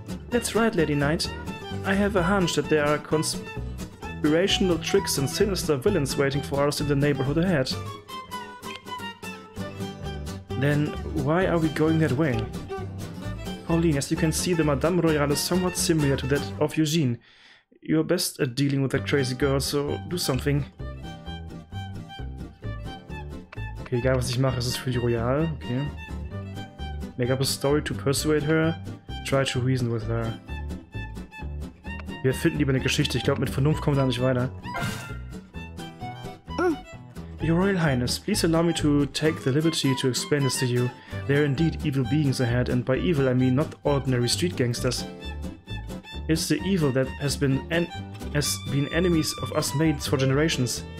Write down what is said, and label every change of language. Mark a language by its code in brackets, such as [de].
[en] That's right, Lady Knight. I have a hunch that there are conspirational tricks and sinister villains waiting for us in the neighborhood ahead. Then why are we going that way? Pauline, as you can see, the Madame Royale is somewhat similar to that of Eugene. You're best at dealing with that crazy girl, so do something. [de] Okay, egal was ich mache, es ist für die Royale, okay. [en] Make up a story to persuade her. Try to reason with her. [de] Wir finden lieber eine Geschichte. Ich glaube, mit Vernunft kommen wir da nicht weiter. [en] Your Royal Highness, please allow me to take the liberty to explain this to you. There are indeed evil beings ahead, and by evil I mean not ordinary street gangsters. It's the evil that has been enemies of us maids for generations.